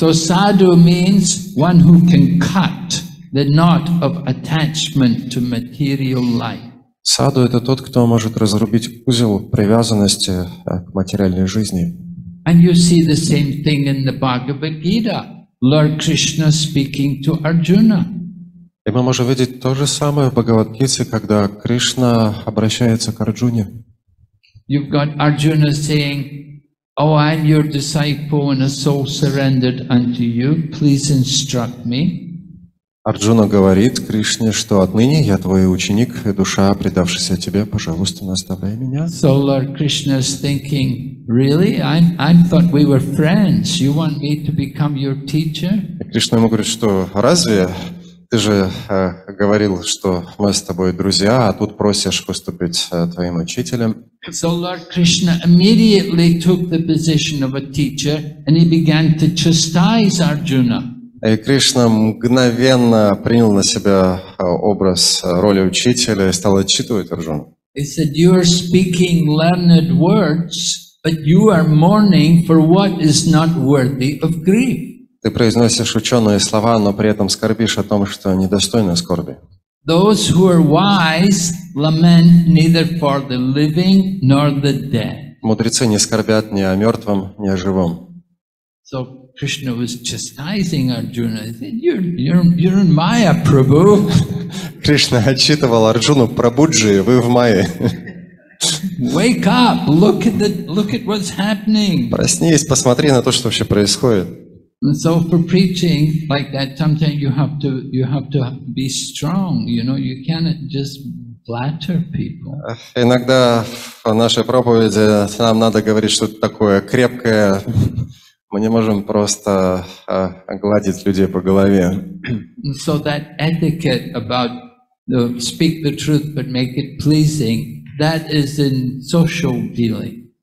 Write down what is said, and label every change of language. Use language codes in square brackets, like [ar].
[en] So sadhu means one who can cut the knot of attachment to material life. [ru] Sadhu — это тот, кто может разрубить узел привязанности к материальной жизни. [en] And you see the same thing in the Bhagavad Gita, Lord Krishna speaking to Arjuna. [ru] И мы можем видеть то же самое в Бхагавад-гите, когда Кришна обращается к Арджуне. [en] You've got Arjuna saying, "Oh, I'm your disciple and a soul surrendered unto you. Please instruct me." [ru] Арджуна говорит Кришне, что отныне я твой ученик и душа, предавшаяся тебе, пожалуйста, наставляй меня. [en] So Lord Krishna is thinking, really? I thought we were friends. You want me to become your teacher? [ru] Кришна ему говорит, что разве ты же говорил, что мы с тобой друзья, а тут просишь выступить твоим учителем? [en] So Lord Krishna immediately took the position of a teacher and he began to chastise Arjuna. [ru] И Кришна мгновенно принял на себя образ роли учителя и стал отчитывать Арджуну. [en] He said, "You are speaking learned words, but you are mourning for what is not worthy of grief." [ru] Ты произносишь ученые слова, но при этом скорбишь о том, что недостойно скорби. [en] Those who are wise lament neither for the living nor the dead. [ru] Мудрецы не скорбят ни о мертвом, ни о живом. [en] So Krishna was chastising Arjuna. He said, "You're in Maya, Prabhu." [ru] Кришна отчитывал Арджуну: "Прабуджи, вы в Майе." [en] Wake up! Look at what's happening. [ru] Проснись, посмотри на то, что вообще происходит. [en] And so for preaching like that, sometimes you have to be strong. You know, you cannot just flatter people. [ru] Иногда в нашей проповеди нам надо говорить что-то такое крепкое. Мы не можем просто гладить людей по голове. [en] So that etiquette about speak the truth but make it pleasing, that is in social dealings.